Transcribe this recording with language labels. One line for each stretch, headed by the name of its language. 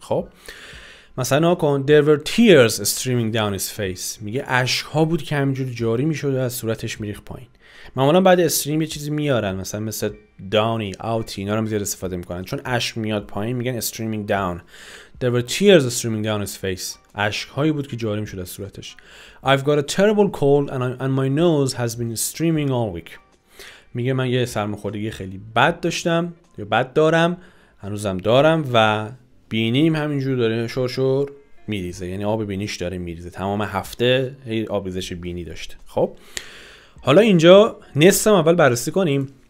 Persian: خب مثلا ها کن
English: there were tears streaming down his face.
Persian: میگه اشک ها بود که همینجور جاری میشد و از صورتش میریخت پایین. معمولا بعد استریم یه چیزی میارن مثل داونی، اوتی، اینا رو هم زیاد استفاده میکنن، چون اشک میاد پایین میگن استریمینگ داون.
English: There were tears streaming down his face.
Persian: عشق هایی بود که جاری میشد از صورتش.
English: I've got a terrible cold and my nose has been streaming all week.
Persian: میگه من یه سرماخوردگی خیلی بد داشتم یا بد دارم، هنوزم دارم و بینیم همینجور داره شرشور میریزه، یعنی آب بینیش داره میریزه، تمام هفته آبریزش بینی داشته. خب حالا اینجا نست هم اول بررسی کنیم.